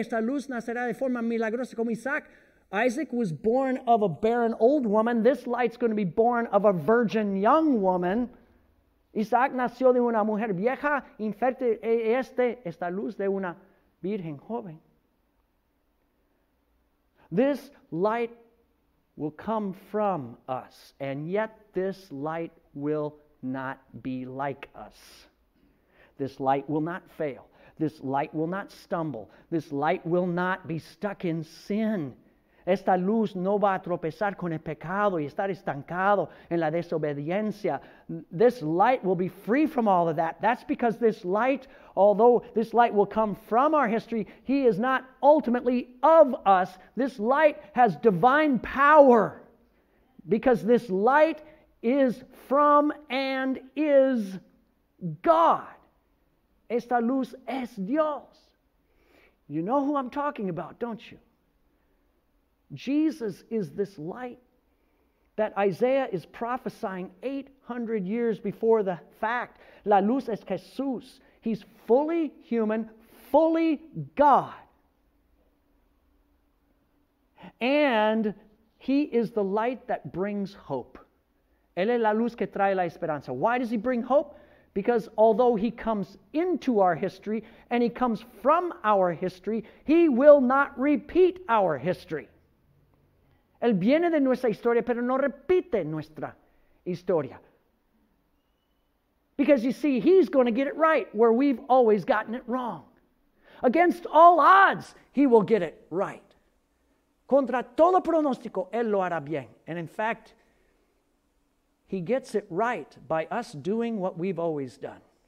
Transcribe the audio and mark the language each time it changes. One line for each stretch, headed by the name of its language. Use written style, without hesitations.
Spanish: Esta luz nacerá de forma milagrosa como Isaac.
English: Isaac was born of a barren old woman. This light's going to be born of a virgin young woman.
Spanish: Isaac nació de una mujer vieja, infértil, esta luz de una virgen joven.
English: This light will come from us, and yet this light will not be like us. This light will not fail. This light will not stumble. This light will not be stuck in sin.
Spanish: Esta luz no va a tropezar con el pecado y estar estancado en la desobediencia.
English: This light will be free from all of that. That's because this light, although this light will come from our history, He is not ultimately of us. This light has divine power because this light is from and is God.
Spanish: Esta luz es Dios.
English: You know who I'm talking about, don't you? Jesus is this light that Isaiah is prophesying 800 years before the fact.
Spanish: La luz es Jesús.
English: He's fully human, fully God. And He is the light that brings hope.
Spanish: Él es la luz que trae la esperanza.
English: Why does He bring hope? Because although he comes into our history and he comes from our history, he will not repeat our history.
Spanish: Él viene de nuestra historia, pero no repite nuestra historia.
English: Because you see, he's going to get it right where we've always gotten it wrong. Against all odds, he will get it right.
Spanish: Contra todo pronóstico, él lo hará bien.
English: And in fact, he gets it right by us doing what we've always done.